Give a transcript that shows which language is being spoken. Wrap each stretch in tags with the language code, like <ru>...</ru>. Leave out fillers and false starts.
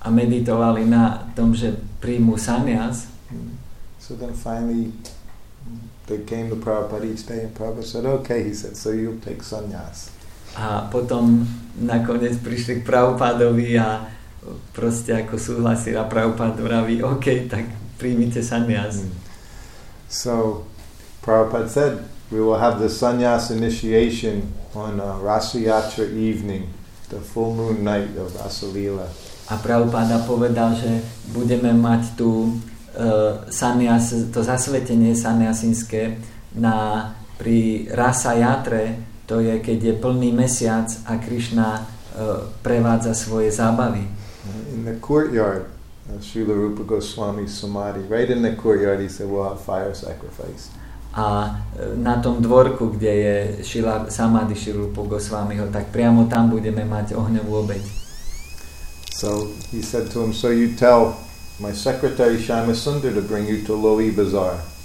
<sk>A meditovali na tom, že príjmu sannyas.</sk> <en>So then finally, they came to Prabhupada each day, and Prabhupada said, okay, he said, so you'll take sannyas.</en> <sk>A potom nakoniec prišli k Prabhupadovi a proste ako súhlasil a Prabhupada vraví, okay, tak príjmite sannyas.</sk> <en>So Prabhupada said, we will have the sannyas initiation on Rasa Yatra evening The full moon night of Asalila.</en> <sk>A Prabhupada povedal, že budeme mať tu to zasvetenie sanyasinské na pri Rasa Yatre, to je keď je plný mesiac a Krishna prevádza svoje zábavy.</sk> <en>In the courtyard of Srila Rupa Goswami's samadhi, right in the courtyard, he said, we'll have fire sacrifice.</en> <sk>A na tom dvorku, kde je samadhi Srila Rupa Goswamiho, tak priamo tam budeme mať ohňovú obeť.</sk> <en>So he said to him, so you tell my secretary Shyama Sundar to bring you to Lohi Bazaar.</en>